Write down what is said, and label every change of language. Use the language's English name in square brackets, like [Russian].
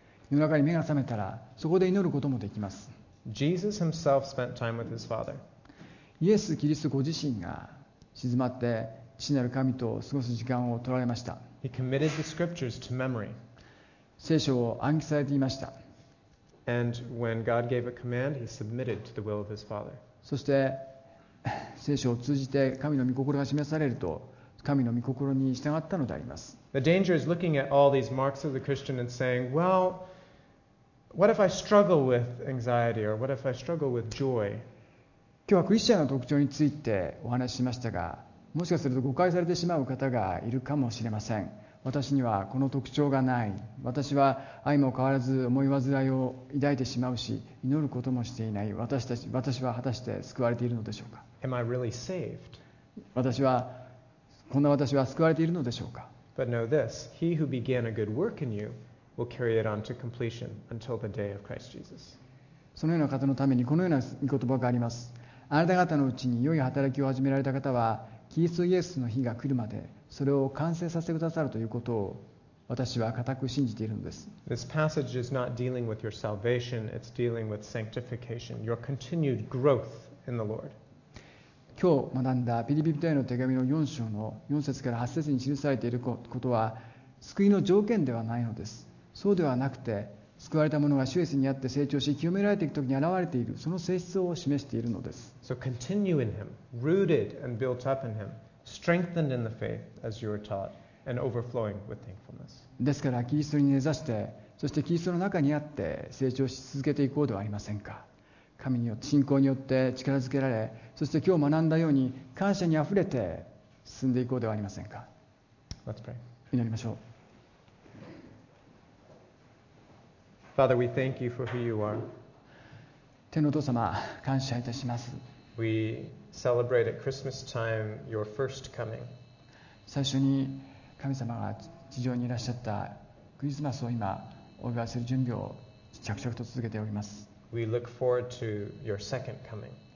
[Japanese] 夜中に目が覚めたらそこで祈ることもできます。 [English] Jesus himself spent time with his father. [Japanese] イエス・キリストご自身が静まって父なる神と過ごす時間を取られました。 [English] He committed the scriptures to memory. [Japanese] 聖書を暗記されていました。 [English] And when God gave a command, he submitted to the will of his father. [Japanese] そして聖書を通じて神の御心が示されると神の御心に従ったのであります。 [English] The danger is looking at all these marks of the Christian and saying, Well, what if I struggle with anxiety or what if I struggle with joy? [Japanese] 今日はクリスチャンの特徴についてお話ししましたが、もしかすると誤解されてしまう方がいるかもしれません。私にはこの特徴がない、私は相も変わらず思い煩いを抱いてしまうし祈ることもしていない、私は果たして救われているのでしょうか。 [English] Am I really saved? [Japanese] 私はこんな私は救われているのでしょうか。 [English] But know this, he who began a good work in you will carry it on to completion until the day of Christ Jesus. [Japanese] そのような方のためにこのような御言葉があります。あなた方のうちに良い働きを始められた方はキリストイエスの日が来るまでそれを完成させてくださるということを私は固く信じているのです。 [English] This passage is not dealing with your salvation, it's dealing with sanctification, your continued growth in the Lord. [Japanese] 今日学んだピリピ人への手紙の4章の4節から8節に記されていることは救いの条件ではないのです。そうではなくて救われた者が主イエスにあって成長し清められていくときに現れている、その性質を示しているのです。 [English] So continue in him, rooted and built up in him, strengthened in the faith as you are taught, and overflowing with thankfulness. [Japanese] ですからキリストに根ざして、そしてキリストの中にあって成長し続けていこうではありませんか。神によって信仰によって力づけられ、そして今日学んだように感謝にあふれて進んでいこうではありませんか。 [English] Let's pray. [Japanese] 祈りましょう。 [English] Father, we thank you for who you are. [Japanese] 天のお父様、感謝いたします。 [English] We celebrate at Christmas time your first coming. [Japanese] 最初に神様が地上にいらっしゃったクリスマスを今お祝いする準備を着々と続けております。 [English] We look forward to your second coming.